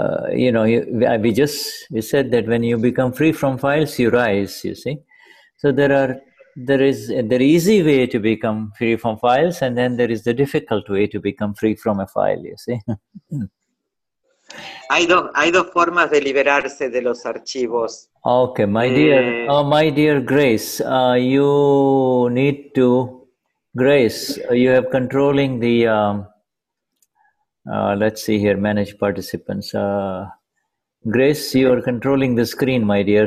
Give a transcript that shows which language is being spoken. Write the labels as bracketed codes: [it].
[en] We said that when you become free from files, you rise, you see. So there is the easy way to become free from files, and then there is the difficult way to become free from a file, you see. [es] Hay dos formas de liberarse de los archivos. [en] Okay, my dear Grace, you have controlling the, let's see here, manage participants. Grace, you are controlling the screen, my dear.